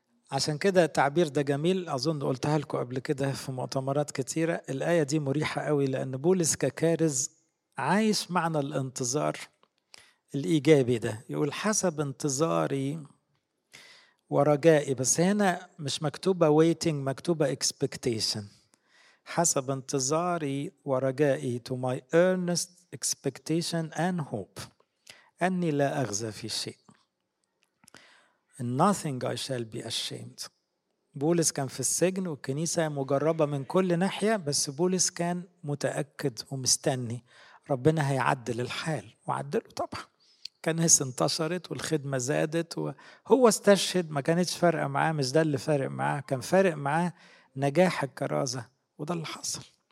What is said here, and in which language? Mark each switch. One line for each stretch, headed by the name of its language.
Arabic: عشان كده التعبير ده جميل، اظن قلتها لكم قبل كده في مؤتمرات كتيرة، الاية دي مريحة قوي لان بولس ككارز عايش معنى الانتظار الايجابي ده، يقول حسب انتظاري ورجائي، بس هنا مش مكتوبة waiting مكتوبة expectation، حسب انتظاري ورجائي,
English: to my earnest expectation and hope,
Arabic: أني لا أخزى في شيء.
English: In nothing I shall be ashamed.
Arabic: بولس كان في السجن والكنيسة مجربة من كل ناحية, بس بولس كان متأكد ومستني ربنا هيعدل الحال, وعدله طبعا. كنيسة انتشرت والخدمة زادت وهو استشهد, ما كانتش فارقة معاه, مش ده اللي فارق معاه, كان فارق معاه نجاح الكرازة, وده اللي حصل.